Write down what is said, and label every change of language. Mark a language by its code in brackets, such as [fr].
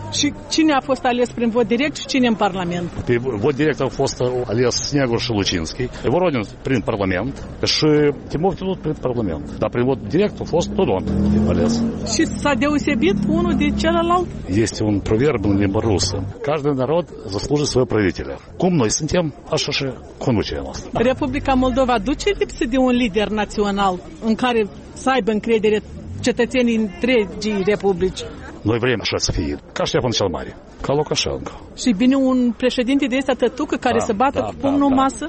[ro] Și cine a fost ales prin vot direct și cine în Parlament? Pe vot direct a fost ales Snegur și Lucinski, Voronin prin Parlament și Timofte tot prin Parlament. Dar prin vot direct a fost Dodon ales. Și s-a deosebit unul de celălalt? Este un proverb în limba rusă. [ru] Каждый народ заслужит своего правителя. [ro] Cum noi suntem, așa și conducerea noastră. Republica Moldova duce lipsă de un lider național în care să aibă încredere cetățenii întregii republici. Noi vrem așa să fie. Ca Ștefan cel Mare, ca Lukashenko. Și bine un președinte de ăsta tătucă care se bată cu pumnul în masă?